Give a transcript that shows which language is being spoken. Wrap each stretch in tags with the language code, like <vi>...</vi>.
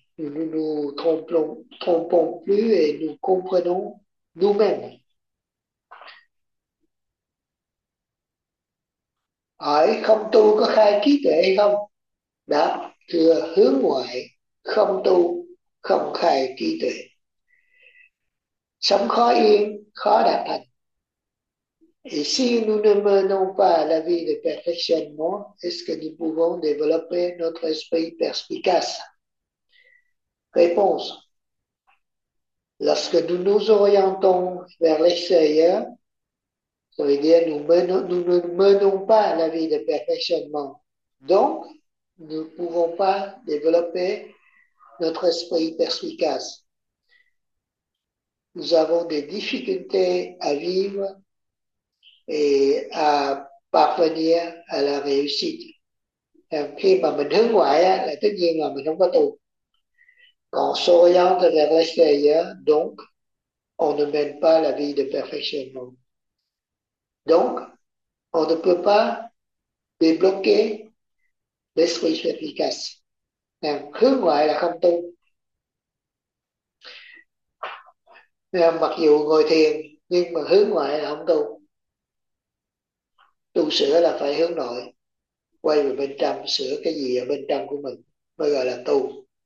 <fr>Nous ne nous trompons plus et nous comprenons nous-mêmes.</fr> <vi>Hỏi không tu có khai trí tuệ hay không? Đáp, thưa hướng ngoại, không tu không khai trí tuệ. Sống khó yên, khó đạt thành.</vi> <fr>Et si nous ne menons pas la vie de perfectionnement, est-ce que nous pouvons développer notre esprit perspicace? Réponse. Lorsque nous nous orientons vers l'extérieur, ça veut dire nous ne menons pas la vie de perfectionnement. Donc, nous ne pouvons pas développer notre esprit perspicace. Nous avons des difficultés à vivre et à parvenir à la réussite.</fr> <vi>Et khi mà mình hướng ngoại á, là tất nhiên là mình không có tu.</vi> <fr>Còn s'orienter vers l'extérieur, donc, on ne mène pas la vie de perfectionnement. Donc, on ne peut pas débloquer l'esprit efficace.</fr> <vi>Et hướng ngoại là không tu. Mặc dù ngồi thiền nhưng mà hướng ngoại là không tu. Tu sửa là phải hướng nội, quay về bên trong, sửa cái gì ở bên trong của mình mới gọi là tu.</vi>